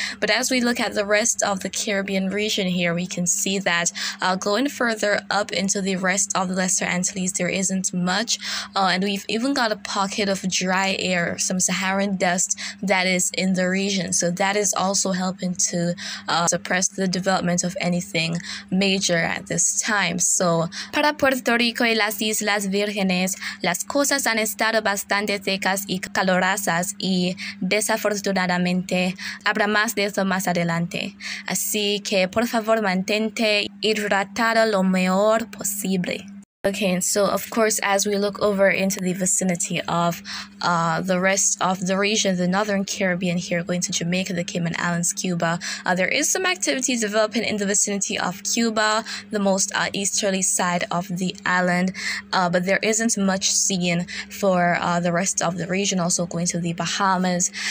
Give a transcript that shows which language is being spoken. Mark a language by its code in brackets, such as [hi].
[en] But as we look at the rest of the Caribbean region here, we can see that going further up into the rest of the Lesser Antilles, there isn't much. And we've even got a pocket of dry air, some Saharan dust that is in the region. So that is also helping to suppress the development of anything major at this time. So, [es] para Puerto Rico y las Islas Vírgenes, las cosas han estado bastante secas y calurosas. Y desafortunadamente habrá más de eso más adelante. Así que por favor mantente hidratado lo mejor posible. [en] Okay, and so of course, as we look over into the vicinity of the rest of the region, the Northern Caribbean here, going to Jamaica, the Cayman Islands, Cuba, there is some activity developing in the vicinity of Cuba, the most easterly side of the island, but there isn't much seen for the rest of the region, also going to the Bahamas.